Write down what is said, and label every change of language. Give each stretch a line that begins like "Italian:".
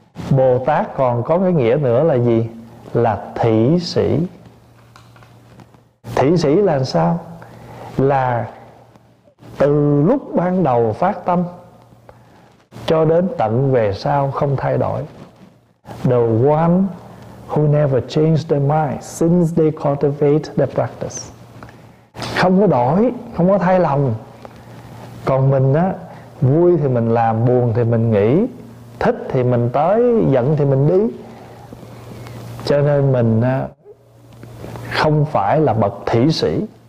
Vietnamese: Bồ Tát còn có cái nghĩa nữa là gì? Là thị sĩ. Thị sĩ là sao? Là từ lúc ban đầu phát tâm cho đến tận về sau không thay đổi.
English: The one who never changed their mind since they cultivate the practice.
Vietnamese: Không có đổi, không có thay lòng. Còn mình á, vui thì mình làm, buồn thì mình nghĩ, thích thì mình tới, giận thì mình đi. Cho nên mình không phải là bậc thỉ sĩ.